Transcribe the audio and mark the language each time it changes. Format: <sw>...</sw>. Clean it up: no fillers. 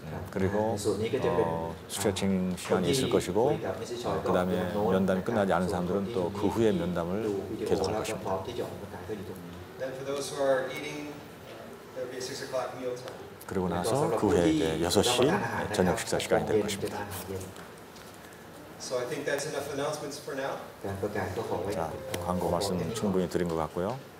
<ko>그리고 스트레칭 시간이 있을 것이고 그 다음에 면담이 끝나지 않은 사람들은 또 그 후에 면담을 계속할 것입니다.</ko> <en>Then for those who are eating, there will be a 6 o'clock meal time.</en> <ko>그리고 나서 그 후에 이제 6시 저녁 식사 시간이 될 것입니다.</ko> <en>So I think that's enough announcements for now.</en> <ko>자, 광고 말씀 충분히 드린 것 같고요.</ko>